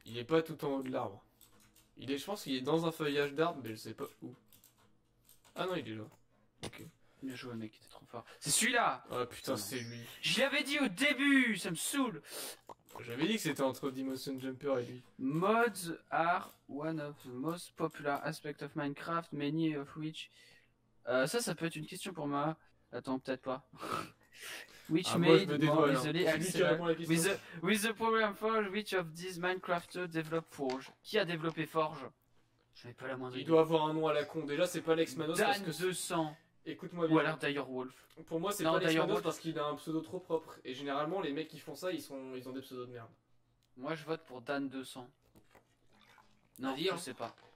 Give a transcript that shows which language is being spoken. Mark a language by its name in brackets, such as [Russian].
[French] Il est pas tout en haut de l'arbre. Il est, je pense qu'il est dans un feuillage d'arbre, mais je sais pas où. Ah non, il est là. Ok. Bien joué, mec, t'es trop fort. C'est celui-là. Oh putain, non. C'est lui. J'y avais dit au début, ça me saoule. J'avais dit que c'était entre Dimotion Jumper et lui. [English] Mods are one of the most popular aspects of Minecraft, many of which. [French] Ça peut être une question pour moi. Attends, peut-être pas. [English] Which made more easily accessible with the program Forge, which of these Minecrafters developed Forge? [French] Qui a développé Forge? J'avais pas la moindre idée. Il doit avoir un nom à la con. Déjà, c'est pas Lex Manos. Dan parce que... 200. Écoute-moi bien. Ou alors Dire Wolf. Pour moi, c'est non, pas Dire Lex Manos Wolf. Parce qu'il a un pseudo trop propre. Et généralement, les mecs qui font ça, ils ont des pseudos de merde. Moi, je vote pour Dan 200. Non, Dire, je sais pas.